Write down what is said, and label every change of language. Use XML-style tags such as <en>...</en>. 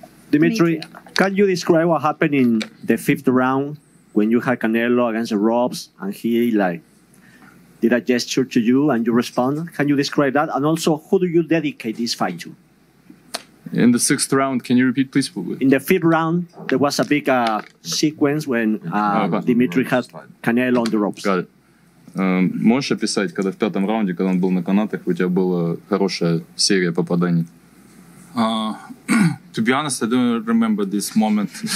<en>Dmitry, can you describe what happened in the fifth round when you had Canelo against the ropes and he like did a gesture to you and you responded? Can you describe that? And also, who do you dedicate this fight to? In the sixth round, can you repeat, please? In the fifth round, there was a big sequence when Dmitry had Canelo on the ropes. Got it.</en> <ru>Можешь описать, когда в пятом раунде, когда он был на канатах, у тебя была хорошая серия попаданий?</ru> <en>To be honest, I don't remember this moment.</en>